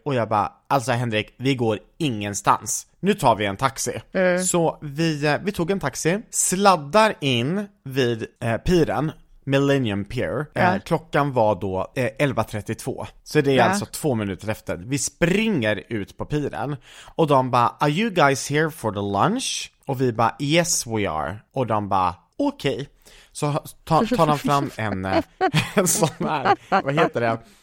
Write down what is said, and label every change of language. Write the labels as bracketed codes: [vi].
[sv] Och jag bara, alltså Henrik, vi går ingenstans. Nu tar vi en taxi. Så vi tog en taxi, sladdar in vid piren. Millennium Pier. Ja. Klockan var då 11.32. Så det är alltså 2 minuter efter. Vi springer ut på piren. Och de bara, [en] are you guys here for the lunch? [sv] Och vi bara, [en] yes we are. [sv] Och de bara, okej. Okay. Så tar de fram en sån här, vad heter det?